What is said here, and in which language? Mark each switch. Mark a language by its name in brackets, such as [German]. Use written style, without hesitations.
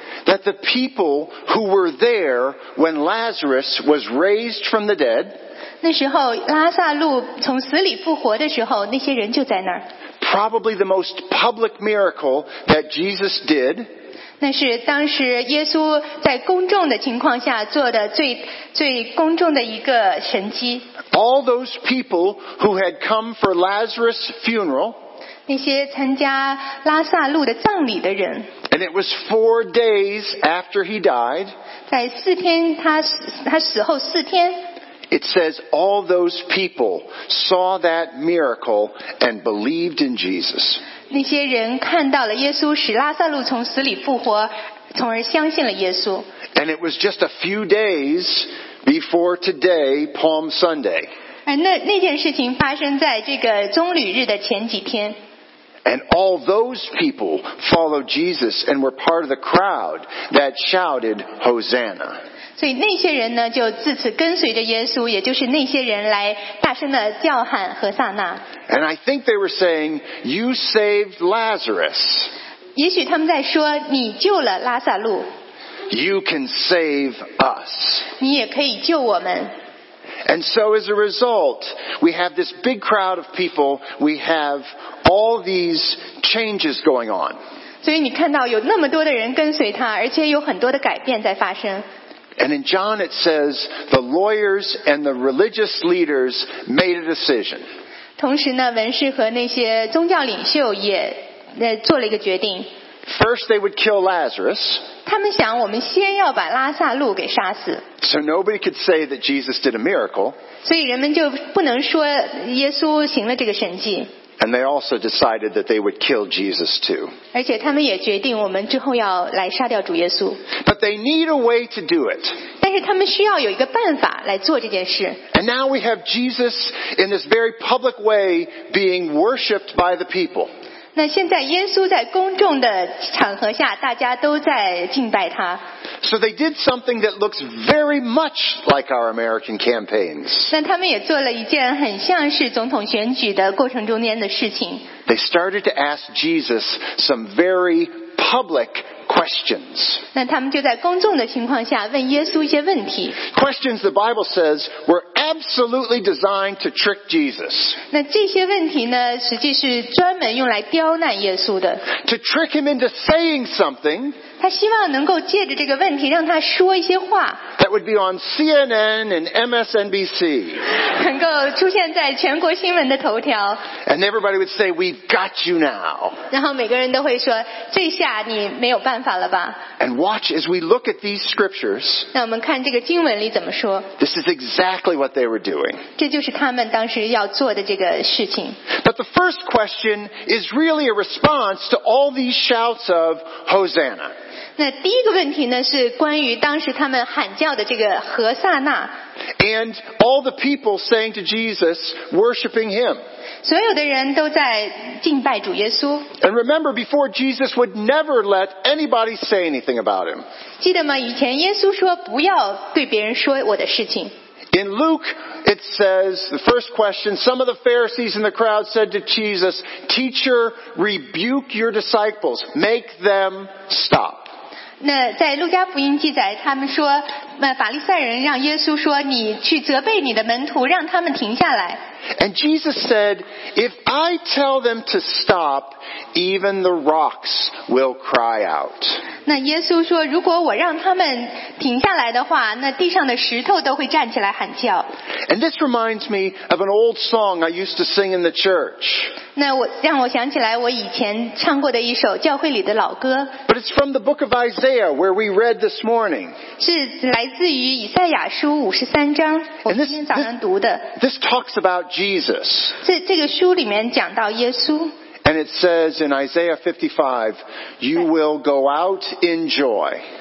[English] That the people who were there when Lazarus was raised from the dead, [Chinese] 那时候拉撒路从死里复活的时候，那些人就在那儿。 [English] Probably the most public miracle that Jesus did, [Chinese] 那是当时耶稣在公众的情况下做的最公众的一个神迹。 [English] All those people who had come for Lazarus' funeral, [Chinese] 那些参加拉萨路的葬礼的人。 [English] And it was 4 days after he died. [Chinese] 在四天他死后四天。 [English] It says all those people saw that miracle and believed in Jesus. [Chinese] 那些人看到了耶稣使拉萨路从死里复活，从而相信了耶稣。 [English] And it was just a few days before today, Palm Sunday. [Chinese] 而那件事情发生在这个棕榈日的前几天。 [English] And all those people followed Jesus and were part of the crowd that shouted Hosanna. [Chinese] 所以那些人呢，就自此跟随着耶稣，也就是那些人来大声的叫喊何撒那。 [English] And I think they were saying, "You saved Lazarus." [Chinese] 也许他们在说，你救了拉萨路。 [English] You can save us. [Chinese] 你也可以救我们。 [English] And so as a result, we have this big crowd of people, we have all these changes going on. [Chinese] 所以你看到有那么多的人跟随他，而且有很多的改变在发生。 [English] And in John it says, the lawyers and the religious leaders made a decision. [Chinese] 同时呢，文士和那些宗教领袖也做了一个决定。 [English] First, they would kill Lazarus. [Chinese] 他们想我们先要把拉萨路给杀死。 [English] So nobody could say that Jesus did a miracle. [Chinese] 所以人们就不能说耶稣行了这个神迹。 [English] And they also decided that they would kill Jesus too. [Chinese] 而且他们也决定我们之后要来杀掉主耶稣。 [English] But they need a way to do it. [Chinese] 但是他们需要有一个办法来做这件事。 [English] And now we have Jesus in this very public way being worshipped by the people. [Chinese] 那现在耶稣在公众的场合下，大家都在敬拜他。 [English] So they did something that looks very much like our American campaigns. [Chinese] 那他们也做了一件很像是总统选举的过程中间的事情。 [English] They started to ask Jesus some very public questions. [Chinese] 那他们就在公众的情况下问耶稣一些问题。 [English] Questions the Bible says were absolutely designed to trick Jesus. [Chinese] 那这些问题呢，实际是专门用来刁难耶稣的。 [English] To trick him into saying something. [Chinese] 他希望能够借着这个问题让他说一些话。 [English] That would be on CNN and MSNBC. [Chinese] 能够出现在全国新闻的头条。 [English] And everybody would say, "We've got you now." [Chinese] 然后每个人都会说，这下你没有办法了吧。 [English] And watch as we look at these scriptures. [Chinese] 那我们看这个经文里怎么说。 [English] This is exactly what they were doing. [Chinese] 这就是他们当时要做的这个事情。 [English] But the first question is really a response to all these shouts of Hosanna. [Chinese] 那第一个问题呢，是关于当时他们喊叫的这个何撒那。 [English] And all the people saying to Jesus, worshiping him. [Chinese] 所有的人都在敬拜主耶稣。 [English] And remember, before Jesus would never let anybody say anything about him. [Chinese] 记得吗？以前耶稣说不要对别人说我的事情。 [English] In Luke, it says, the first question, some of the Pharisees in the crowd said to Jesus, "Teacher, rebuke your disciples, make them stop." [Chinese] 那在路加福音记载，他们说，法利赛人让耶稣说，你去责备你的门徒，让他们停下来。 [English] And Jesus said, "If I tell them to stop, even the rocks will cry out." [Chinese] 那耶稣说，如果我让他们停下来的话，那地上的石头都会站起来喊叫。 [English] And this reminds me of an old song I used to sing in the church. [Chinese] 那我让我想起来我以前唱过的一首教会里的老歌。 [English] But it's from the book of Isaiah where we read this morning. [Chinese] 是来自于以赛亚书五十三章，我今天早上读的。 [English] This talks about Jesus. [Chinese] 这个书里面讲到耶稣。 [English] And it says in Isaiah 55, "You will go out in joy."